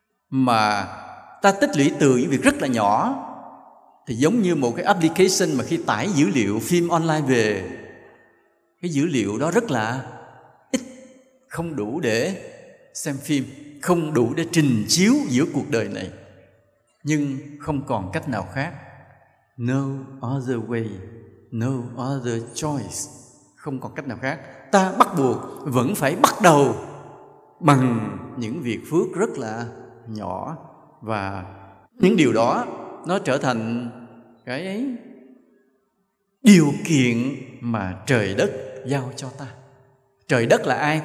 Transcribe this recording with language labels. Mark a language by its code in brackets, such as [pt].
[vi] Mà ta tích lũy từ những việc rất là nhỏ thì giống như một cái application mà khi tải dữ liệu phim online về, cái dữ liệu đó rất là ít, không đủ để xem phim, không đủ để trình chiếu giữa cuộc đời này. Nhưng không còn cách nào khác. [en] No other way, no other choice. [vi] Không còn cách nào khác, ta bắt buộc vẫn phải bắt đầu bằng những việc phước rất là nhỏ. Và những điều đó nó trở thành cái ấy, điều kiện mà trời đất giao cho ta. Trời đất là ai?